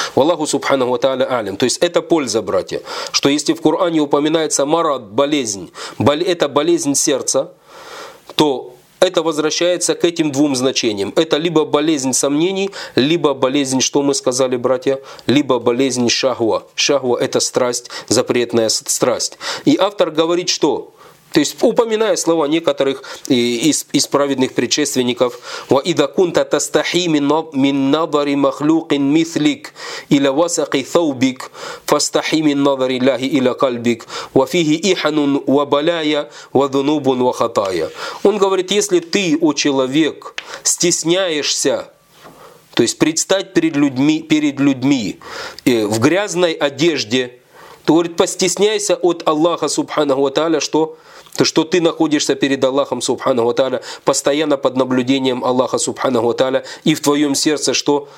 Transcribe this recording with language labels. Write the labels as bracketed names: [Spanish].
[Russian] Валлаху субханаху тааля алим. То есть это польза, братья, что если в Коране упоминается марад, болезнь, это болезнь сердца, то это возвращается к этим двум значениям. Это либо болезнь сомнений, либо болезнь, что мы сказали, братья, либо болезнь шахва. Шахва – это страсть, запретная страсть. И автор говорит, что, то есть упоминая слова некоторых из праведных предшественников, [Arabic] وَإِذَا كُنْتَ تَسْتَحِي مِنْ نَظَرِ مَخْلُوقٍ مِثْلِكْ إِلَى وَسَقِ ثَوْبِكْ فَاسْتَحِي مِنْ نَظَرِ اللَّهِ إِلَى قَلْبِكْ وَفِيهِ إِحَنٌ وَبَلَايَ وَذُنُوبٌ وَخَطَايَ. [Russian] Он говорит, если ты, о человек, стесняешься, то есть предстать перед людьми в грязной одежде, то говорит, постесняйся от Аллаха субханаху тааля, что ты находишься перед Аллахом субханаху тааля, постоянно под наблюдением Аллаха субханаху тааля, и в твоем сердце что?